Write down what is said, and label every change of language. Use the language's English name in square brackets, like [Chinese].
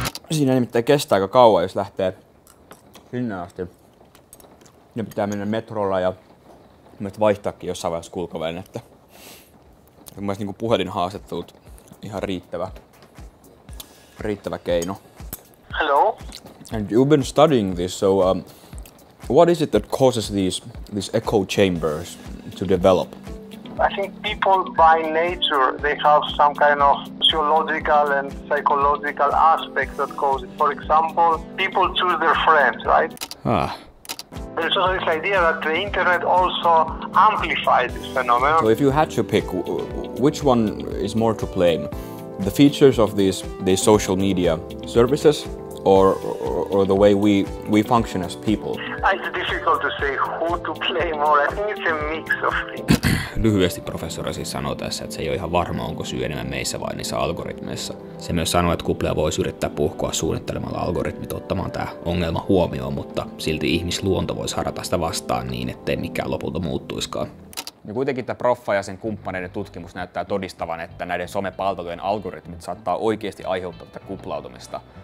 [Finnish] Siinä nimittäin kestää aika kauan, jos lähtee sinne asti. Ne pitää mennä metrolla ja vaihtaakin jossain vaiheessa kulkovälinettä. Mielestäni niin puhelinhaastattelut ihan riittävä keino. [English] Hello. And you've been studying this, so what is it that causes these echo chambers to develop? I think people by nature, they have some kind of physiological and psychological aspect that causes it. For example, people choose their friends, right? Ah. There's also this idea that the internet also amplifies this phenomenon. So if you had to pick, which one is more to blame? The features of these social media services or the way we function as people? It's difficult to say who to blame more. I think it's a mix of things. [Finnish] Lyhyesti professori siis sanoo tässä, että se ei ole ihan varma, onko syy enemmän meissä vai niissä algoritmeissa. Se myös sanoo, että kuplia voisi yrittää puhkoa suunnittelemalla algoritmit ottamaan tämä ongelma huomioon, mutta silti ihmisluonto voisi harata sitä vastaan niin, ettei mikään lopulta muuttuiskaan. Ja kuitenkin tämä proffa ja sen kumppaneiden tutkimus näyttää todistavan, että näiden somepalvelujen algoritmit saattaa oikeasti aiheuttaa tätä kuplautumista.